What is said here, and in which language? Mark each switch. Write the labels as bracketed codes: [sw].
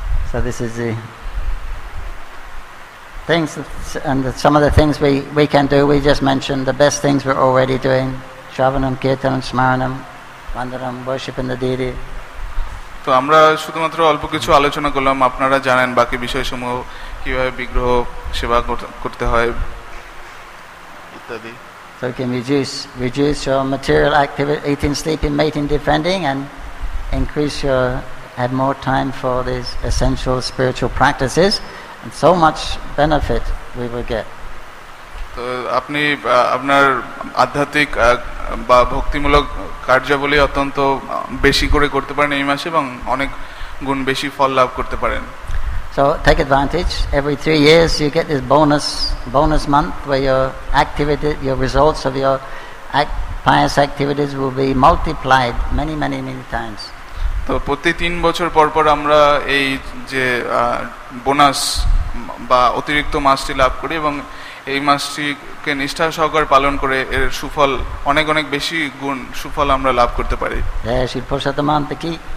[en] So this is the things and some of the things we can do. We just mentioned the best things we're already doing: Shravanam, Kirtanam, Smaranam, Vandanam, worshiping the deity. [bn] তো আমরা শুধুমাত্র অল্প কিছু আলোচনা করলাম, আপনারা জানেন বাকি বিষয় সমূহ কিভাবে বিগ্রহ সেবা করতে হয় ইত্যাদি. [en] So we can reduce your material activity, eating, sleeping, mating, defending, and increase your, have more time for these essential spiritual practices, and so much benefit we will get. [bn] তো আপনি আপনার আধ্যাত্মিক বা ভক্তিমূলক কার্যাবলী অত্যন্ত বেশি করে করতে পারেন এই মাসে এবং অনেক গুণ বেশি ফল লাভ করতে পারেন. [en] So take advantage. Every 3 years you get this bonus month where your results of your pious activities will be multiplied many, many, many times. [bn] তো প্রতি 3 বছর পরপর আমরা এই যে বোনাস বা অতিরিক্ত মাসটি লাভ করি এবং এই মাসটিকে নিষ্ঠা সহকার পালন করে এর সুফল অনেক অনেক বেশি গুণ সুফল আমরা লাভ করতে পারি. জয় শ্রী প্রসাদম কি,